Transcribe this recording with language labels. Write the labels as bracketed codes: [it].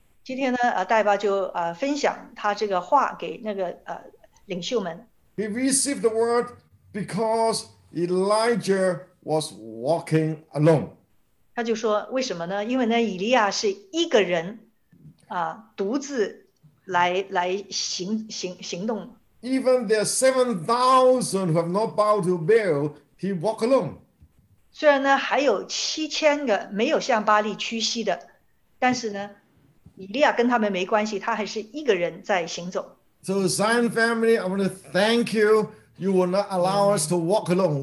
[zh] 今天呢，戴巴就分享他这个话给那个领袖们。 [en] He received the word because Elijah was walking alone. [zh] 他就说为什么呢？因为呢，以利亚是一个人，独自来行动。 [en] Even there 7,000 who have not bowed to Baal, he walked alone. [zh] 虽然呢还有7,000个没有向巴利屈膝的，但是呢。以利亚跟他们没关系，他还是一个人在行走。 [en] So Zion family, I want to thank you. You will not allow us to walk alone.